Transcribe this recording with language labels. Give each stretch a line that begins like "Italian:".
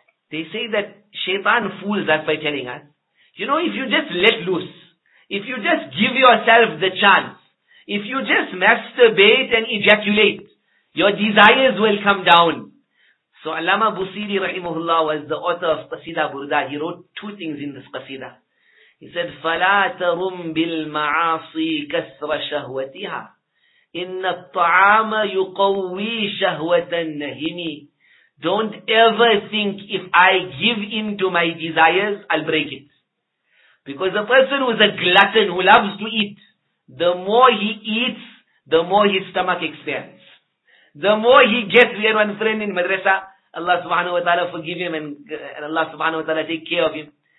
English: They say that Shaitan fools us by telling us, you know, if you just let loose, if you just give yourself the chance, if you just masturbate and ejaculate, your desires will come down. So Allama Busiri rahimahullah was the author of Qasida Burda. He wrote two things in this Qasida.
Arabic: He said, فَلَا تَرُمْ بِالْمَعَاصِي كَسْرَ شَهْوَتِهَا إِنَّ الطَّعَامَ يُقَوِّي شَهْوَةَ النَّهِمِ.
English: Don't ever think, if I give in to my desires, I'll break it. Because a person who is a glutton, who loves to eat, the more he eats, the more his stomach expands. The more he gets, we had one friend in madrasa, Allah subhanahu wa ta'ala forgive him and Allah subhanahu wa ta'ala take care of him.